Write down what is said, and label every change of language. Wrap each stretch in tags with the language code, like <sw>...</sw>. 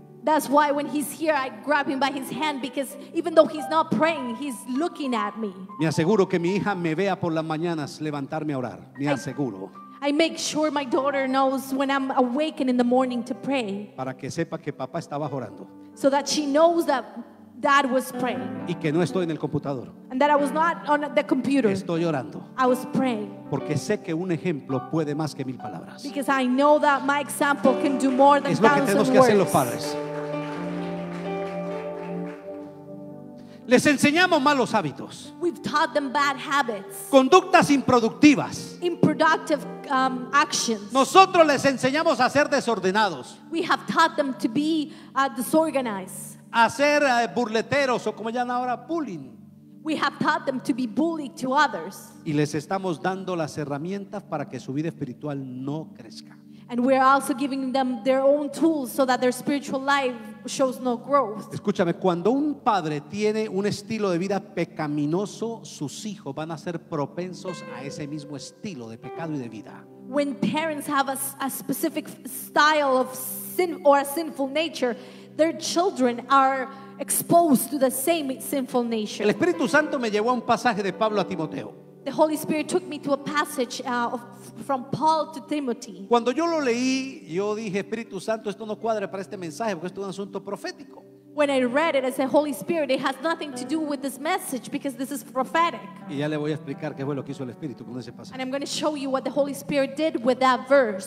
<en>That's why when he's here, I grab him by his hand because even though he's not praying, he's looking at me.</en> <es>Me aseguro que mi hija me vea por las mañanas levantarme a orar. Me aseguro.</es> <en>I make sure my daughter knows when I'm awakened in the morning to pray.</en> <es>Para que sepa que papá estaba orando.</es> <en>So that she knows that dad was praying.</en> <es>Y que no estoy en el computador.</es> <en>And that I was not on the computer.</en> <es>Estoy orando.</es> <en>I was praying.</en> <es>Porque sé que un ejemplo puede más que mil palabras.</es> <en>Because I know that my example can do more than thousand words.</en> <es>Es lo que tenemos que hacer los padres. Les enseñamos malos hábitos.</es> <en>We've taught them bad habits.</en> <es>Conductas improductivas.</es> <en>Improductive actions.</en> <es>Nosotros les enseñamos a ser desordenados.</es> <en>We have taught them to be disorganized.</en> <es>A ser burleteros o como llaman ahora bullying.</es> <en>We have taught them to be bullied to others.</en> <es>Y les estamos dando las herramientas para que su vida espiritual no crezca.</es> <en>And we're also giving them their own tools so that their spiritual life shows no growth.</en> <es>Escúchame, cuando un padre tiene un estilo de vida pecaminoso, sus hijos van a ser propensos a ese mismo estilo de pecado y de vida.</es> <en>When parents have a specific style of sin or a sinful nature, their children are exposed to the same sinful nature.</en> <es>El Espíritu Santo me llevó a un pasaje de Pablo a Timoteo.</es> <en>The Holy Spirit took me to a passage from Paul to Timothy.</en> <es>Cuando yo lo leí, yo dije, Espíritu Santo, esto no cuadra para este mensaje porque esto es un asunto profético.</es> <en>When I read it, I said, Holy Spirit, it has nothing to do with this message because this is prophetic.</en> <es>Y ya le voy a explicar qué fue lo que hizo el Espíritu con ese pasaje.</es> <en>And I'm going to show you what the Holy Spirit did with that verse.</en>